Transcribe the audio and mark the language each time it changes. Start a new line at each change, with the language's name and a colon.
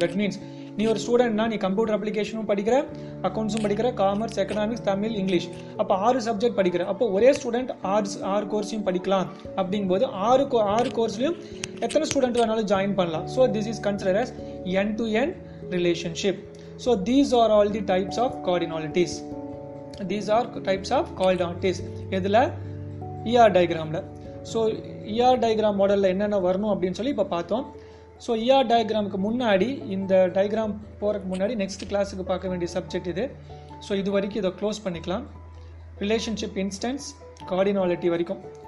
English: that means
Tamil: நீ ஒரு ஸ்டூடெண்ட்னா, நீ கம்ப்யூட்டர் அப்ளிகேஷனும் படிக்கிற, அக்கௌண்ட்ஸும் படிக்கிற, காமர்ஸ், எக்கனாமிக்ஸ், தமிழ், இங்கிலீஷ், அப்போ 6 subject படிக்கிற. அப்போ ஒரே ஸ்டூடெண்ட் 6 கோர்ஸையும் படிக்கலாம் அப்படிங்கும்போது 6 கோர்ஸ்லையும் எத்தனை ஸ்டூடெண்ட் வேணாலும் ஜாயின் பண்ணலாம்.
English: So this is consider as n to n relationship. So these are all the types of cardinalities. These are types of cardinalities.
Tamil: எதில்,
English: ER diagramல.
Tamil: So ER diagram மாடலில் என்னென்ன வரணும் அப்படின்னு சொல்லி இப்போ பார்த்தோம். So ER diagramக்கு முன்னாடி, இந்த டைக்ராம் போகிறதுக்கு முன்னாடி, நெக்ஸ்ட் கிளாஸுக்கு பார்க்க வேண்டிய சப்ஜெக்ட் இது. ஸோ இது வரைக்கும் இதை க்ளோஸ் பண்ணிக்கலாம். ரிலேஷன்ஷிப் இன்ஸ்டன்ஸ், கார்டினாலிட்டி வரைக்கும்.